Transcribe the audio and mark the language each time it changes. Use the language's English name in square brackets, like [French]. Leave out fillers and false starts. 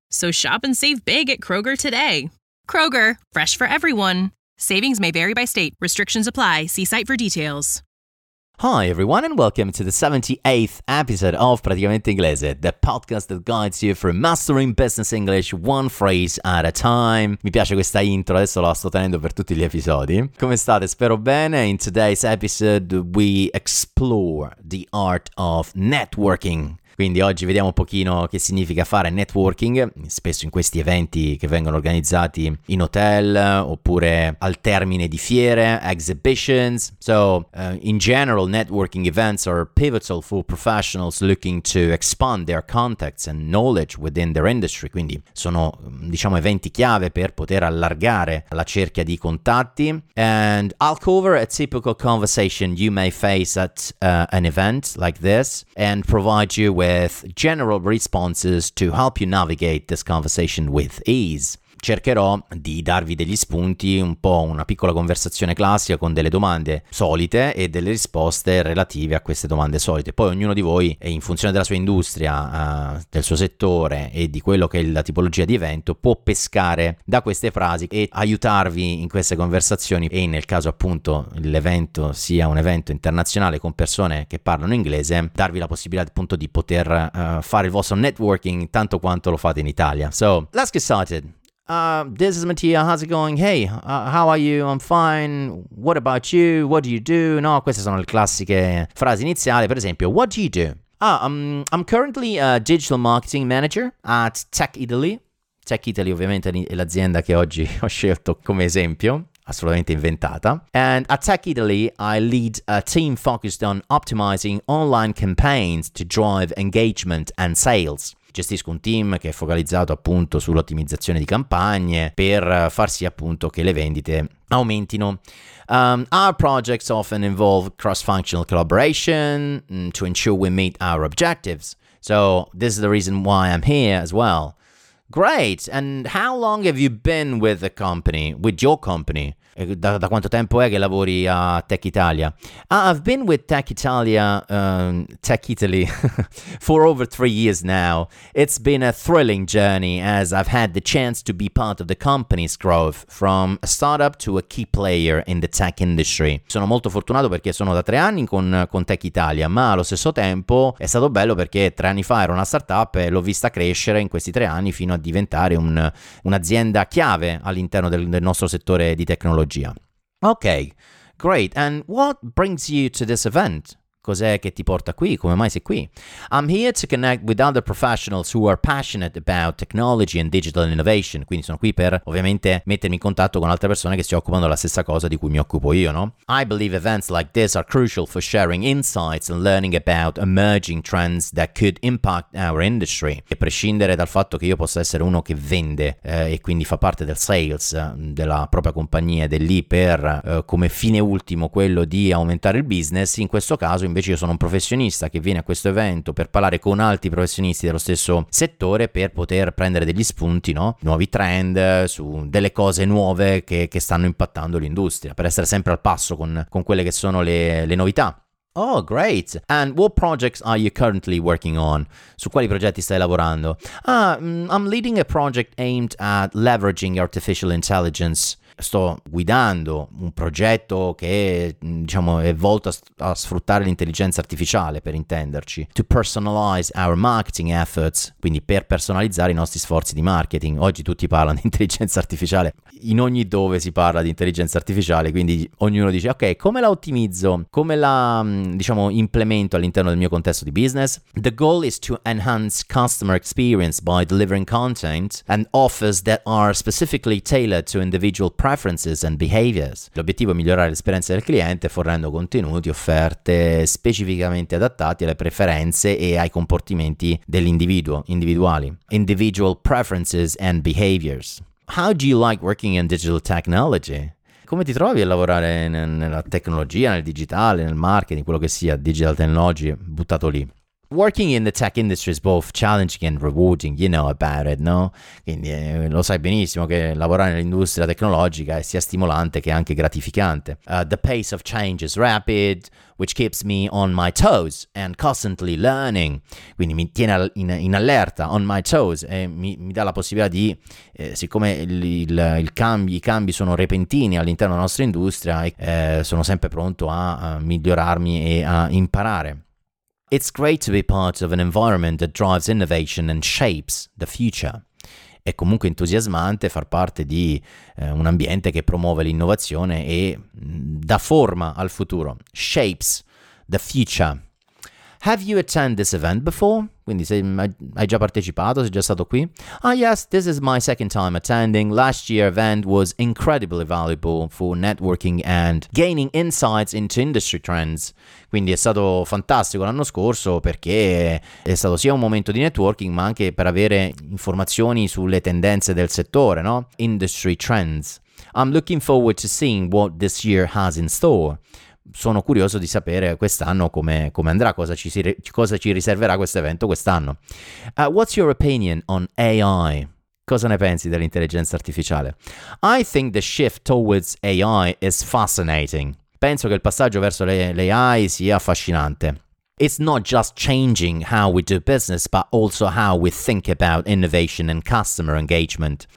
[English] So shop and save big at Kroger today. Kroger, fresh for everyone. Savings may vary by state. Restrictions apply. See site for details. Hi, everyone, and welcome to the 78th episode of Praticamente Inglese, the podcast that guides you from mastering business English one phrase at a time. [Italian] Mi piace questa intro, adesso la sto tenendo per tutti gli episodi. Come state? Spero bene. [English] In today's episode, we explore the art of networking. [Italian] Quindi oggi vediamo un pochino che significa fare networking, spesso in questi eventi che vengono organizzati in hotel oppure al termine di fiere, exhibitions. [English] So in general, networking events are pivotal for professionals looking to expand their contacts and knowledge within their industry. [Italian] Quindi sono, diciamo, eventi chiave per poter allargare la cerchia di contatti. [English] And I'll cover a typical conversation you may face at an event like this and provide you with general responses to help you navigate this conversation with ease. [Italian] Cercherò di darvi degli spunti, un po' una piccola conversazione classica con delle domande solite e delle risposte relative a queste domande solite. Poi ognuno di voi, in funzione della sua industria, del suo settore e di quello che è la tipologia di evento, può pescare da queste frasi e aiutarvi in queste conversazioni. E nel caso appunto l'evento sia un evento internazionale con persone che parlano inglese, darvi la possibilità appunto di poter fare il vostro networking tanto quanto lo fate in Italia. [English] So, let's get started. This is Mattia, how's it going? Hey, how are you? I'm fine. What about you? What do you do? [Italian] No, queste sono le classiche frasi iniziali. Per esempio, [English] what do you do? I'm currently a digital marketing manager at Tech Italy. [Italian] Tech Italy ovviamente è l'azienda che oggi ho scelto come esempio, assolutamente inventata. [English] And at Tech Italy, I lead a team focused on optimizing online campaigns to drive engagement and sales. [Italian] Gestisco un team che è focalizzato appunto sull'ottimizzazione di campagne per far sì appunto che le vendite aumentino. [English] Our projects often involve cross-functional collaboration to ensure we meet our objectives. So this is the reason why I'm here as well. Great! And how long have you been with the company, with your company? [Italian] Da quanto tempo è che lavori a Tech Italia? [English] I've been with Tech Italia, Tech Italy, for over 3 years now. It's been a thrilling journey as I've had the chance to be part of the company's growth from a startup to a key player in the tech industry. [Italian] Sono molto fortunato perché sono da 3 anni con Tech Italia, ma allo stesso tempo è stato bello perché 3 anni fa era una startup e l'ho vista crescere in questi 3 anni fino a diventare un'azienda chiave all'interno del nostro settore di tecnologia. [English] Okay, great. And what brings you to this event? [Italian] Cos'è che ti porta qui? Come mai sei qui? [English] I'm here to connect with other professionals who are passionate about technology and digital innovation. [Italian] Quindi sono qui per ovviamente mettermi in contatto con altre persone che si occupano della stessa cosa di cui mi occupo io, no? [English] I believe events like this are crucial for sharing insights and learning about emerging trends that could impact our industry. [Italian] E prescindere dal fatto che io possa essere uno che vende e quindi fa parte del sales della propria compagnia ed è lì per come fine ultimo quello di aumentare il business, in questo caso invece io sono un professionista che viene a questo evento per parlare con altri professionisti dello stesso settore per poter prendere degli spunti, no? Nuovi trend su delle cose nuove che stanno impattando l'industria, per essere sempre al passo con quelle che sono le novità. [English] Oh, great! And what projects are you currently working on? [Italian] Su quali progetti stai lavorando? [English] I'm leading a project aimed at leveraging artificial intelligence [Italian] sto guidando un progetto che diciamo è volto a sfruttare l'intelligenza artificiale, per intenderci, [English] to personalize our marketing efforts, [Italian] quindi per personalizzare i nostri sforzi di marketing. Oggi tutti parlano di intelligenza artificiale, in ogni dove si parla di intelligenza artificiale, quindi ognuno dice ok, come la ottimizzo, come la diciamo implemento all'interno del mio contesto di business. [English] The goal is to enhance customer experience by delivering content and offers that are specifically tailored to individual preferences and behaviors. [Italian] L'obiettivo è migliorare l'esperienza del cliente fornendo contenuti, offerte specificamente adattati alle preferenze e ai comportamenti dell'individuo, individuali. [English] Individual preferences and behaviors. How do you like working in digital technology? [Italian] Come ti trovi a lavorare nella tecnologia, nel digitale, nel marketing, quello che sia, [English] digital technology, [Italian] buttato lì? [English] Working in the tech industry is both challenging and rewarding, you know about it, no? [Italian] Quindi lo sai benissimo che lavorare nell'industria tecnologica è sia stimolante che anche gratificante. [English] The pace of change is rapid, which keeps me on my toes and constantly learning. [Italian] Quindi mi tiene in allerta, [English] on my toes, [Italian] e mi dà la possibilità di, siccome i cambi sono repentini all'interno della nostra industria, sono sempre pronto a migliorarmi e a imparare. [English] It's great to be part of an environment that drives innovation and shapes the future. [Italian] È comunque entusiasmante far parte di un ambiente che promuove l'innovazione e dà forma al futuro. [English] Shapes the future. Have you attended this event before? [Italian] Quindi hai già partecipato, sei già stato qui? [English] Ah yes, this is my second time attending. Last year's event was incredibly valuable for networking and gaining insights into industry trends. [Italian] Quindi è stato fantastico l'anno scorso perché è stato sia un momento di networking ma anche per avere informazioni sulle tendenze del settore, no? [English] Industry trends. I'm looking forward to seeing what this year has in store. [Italian] Sono curioso di sapere quest'anno come andrà, cosa ci riserverà questo evento quest'anno. [English] What's your opinion on AI? [Italian] Cosa ne pensi dell'intelligenza artificiale? [English] I think the shift towards AI is fascinating. [Italian] Penso che il passaggio verso l'AI sia affascinante. [English] It's not just changing how we do business, but also how we think about innovation and customer engagement.